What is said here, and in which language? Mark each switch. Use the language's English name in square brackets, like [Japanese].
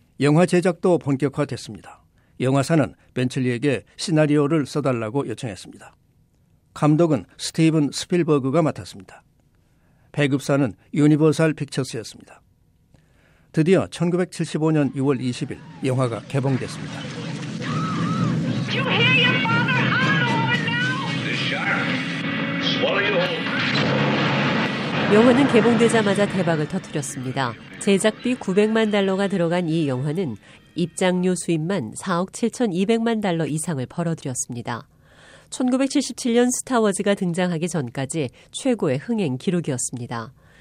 [Korean] 영화 제작도 본격화됐습니다. 영화사는 벤틀리에게 시나리오를 써달라고 요청했습니다. 감독은 스티븐 스필버그가 맡았습니다. 배급사는 유니버설 픽처스였습니다. 드디어 1975년 6월 20일 영화가 개봉됐습니다. [English] You hear your father all over now? The shark swallow you whole. [Korean] 영화는 개봉되자마자 대박을 터뜨렸습니다. 제작비 900만 달러가 들어간 이 영화는 입장료 수입만 4억 7,200만 달러 이상을 벌어들였습니다. 1977년 스타워즈가 등장하기 전까지 최고의 흥행 기록이었습니다.